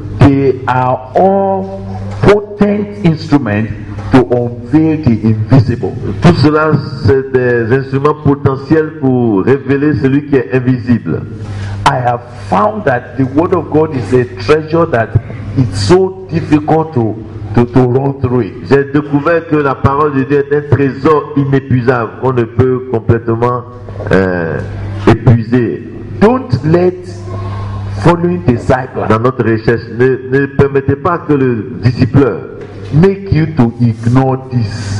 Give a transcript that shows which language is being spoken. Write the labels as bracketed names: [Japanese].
[English] they are all potent instruments to unveil the invisible. [French] Tout cela, c'est des instruments potentiels pour révéler celui qui est invisible. [English] I have found that the Word of God is a treasure that it's so difficult to run through it. [French] J'ai découvert que la parole de Dieu est un trésor inépuisable qu'on ne peut complètement épuiser. [English] Don't let following disciples. [French] Dans notre recherche, ne permettez pas que le disciple [English] make you to ignore this.